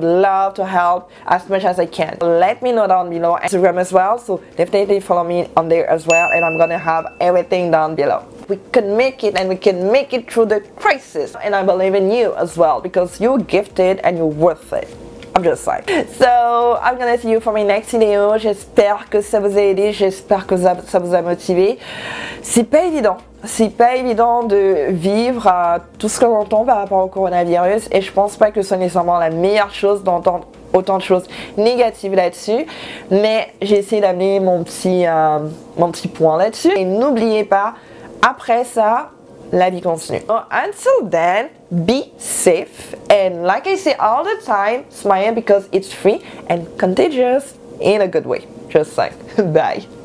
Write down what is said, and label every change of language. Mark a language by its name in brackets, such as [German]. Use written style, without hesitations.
[English] Love to help as much as I can. Let me know down below, Instagram as well, so definitely follow me on there as well, and I'm gonna have everything down below. We can make it, and we can make it through the crisis. And I believe in you as well, because you're gifted and you're worth it. I'm just like. So I'm gonna see you for my next video. [French] J'espère que ça vous a aidé. J'espère que ça vous a motivé. C'est pas évident. C'est pas évident de vivre tout ce qu'on entend par rapport au coronavirus. Et je pense pas que ce soit nécessairement la meilleure chose d'entendre autant de choses négatives là-dessus, mais j'ai essayé d'amener mon petit point là-dessus. Et n'oubliez pas, après ça, la vie continue. [English] So until then, be safe, and like I say all the time, smile because it's free and contagious in a good way. Just like, bye.